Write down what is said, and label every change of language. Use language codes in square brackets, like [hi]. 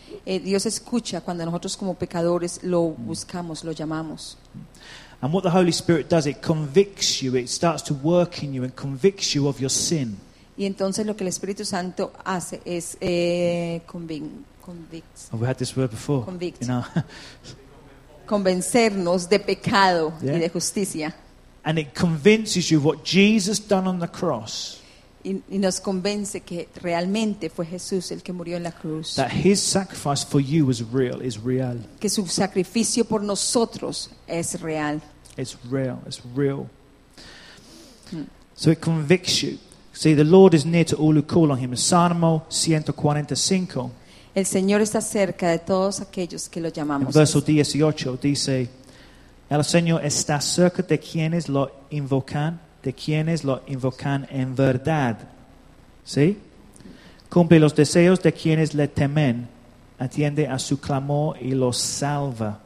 [es] Dios escucha cuando nosotros como pecadores lo buscamos, lo llamamos. [en] And what the Holy Spirit does, it convicts you, it starts to work in you and convicts you of your sin. [es] Y entonces lo que el Espíritu Santo hace es convict. [en] Oh, we had this word before. Convict. You know? [es] Convencernos de pecado, yeah. y de justicia. [en] And it convinces you what Jesus done on the cross. [es] Y nos convence que realmente fue Jesús el que murió en la cruz. [en] That his sacrifice for you is real, is real. [es] Que su sacrificio por nosotros es real. [en] It's real, it's real. So it convicts you. See, the Lord is near to all who call on him. [es] Salmo 145. El Señor está cerca de todos aquellos que lo llamamos. Verso 18 dice: El Señor está cerca de quienes lo invocan, de quienes lo invocan en verdad. ¿Sí? Cumple los deseos de quienes le temen, atiende a su clamor y lo salva.